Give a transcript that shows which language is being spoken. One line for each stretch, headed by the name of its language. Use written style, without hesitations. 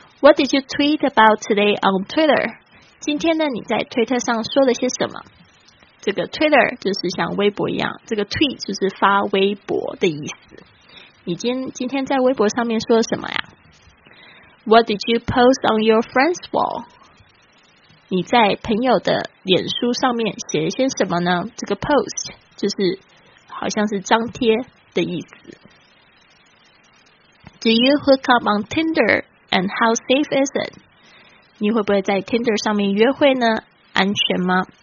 English: What did you tweet about today on Twitter?
Chinese: 今天呢，你在推特上说了些什么？这个 Twitter 就是像微博一样，这个 tweet 就是发微博的意思。你今天在微博上面说了什么呀？
English: What did you post on your friend's wall?
Chinese: 你在朋友的脸书上面写了些什么呢？这个 post 就是好像是张贴的意思。
English: Do you hook up on Tinder? And how safe is it?
Chinese: 你会不会在 Tinder 上面约会呢？安全吗？